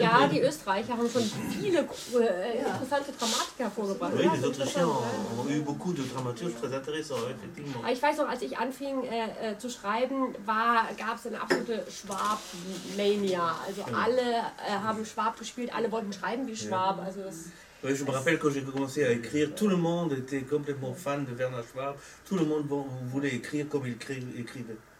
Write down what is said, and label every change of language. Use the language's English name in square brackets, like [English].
[German] Die Österreicher haben schon viele interessante Dramatiker vorgebracht. [French] Oui, les Autrichiens ont eu beaucoup de dramaturges très intéressants, effectivement. [German] Ich weiß noch, als ich anfing zu schreiben, gab es eine absolute Schwab-Mania. Also alle haben Schwab gespielt, alle wollten schreiben wie Schwab. Also das, [French] oui, je me rappelle quand j'ai commencé à écrire, tout le monde était complètement fan de Werner Schwab. Tout le monde voulait écrire comme il écrivait.